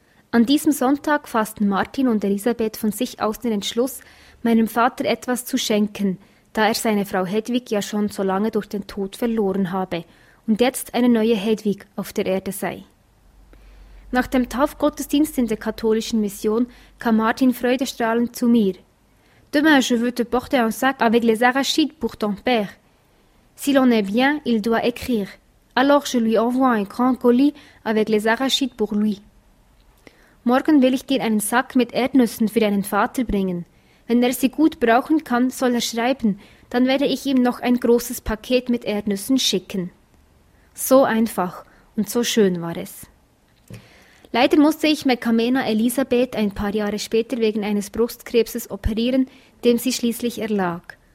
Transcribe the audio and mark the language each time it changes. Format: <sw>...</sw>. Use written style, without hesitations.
<de>An diesem Sonntag fassten Martin und Elisabeth von sich aus den Entschluss, meinem Vater etwas zu schenken, da er seine Frau Hedwig ja schon so lange durch den Tod verloren habe und jetzt eine neue Hedwig auf der Erde sei. Nach dem Taufgottesdienst in der katholischen Mission kam Martin freudestrahlend zu mir.</de> <fr>«Demain je veux te porter un sac avec les arachides pour ton père. Si l'on est bien, il doit écrire. Alors je lui envoie un grand colis avec les arachides pour lui.»</fr> <de>«Morgen will ich dir einen Sack mit Erdnüssen für deinen Vater bringen. Wenn er sie gut brauchen kann, soll er schreiben, dann werde ich ihm noch ein großes Paket mit Erdnüssen schicken.» So einfach und so schön war es. Leider musste ich Mekamena Elisabeth ein paar Jahre später wegen eines Brustkrebses operieren, dem sie schließlich erlag.</de>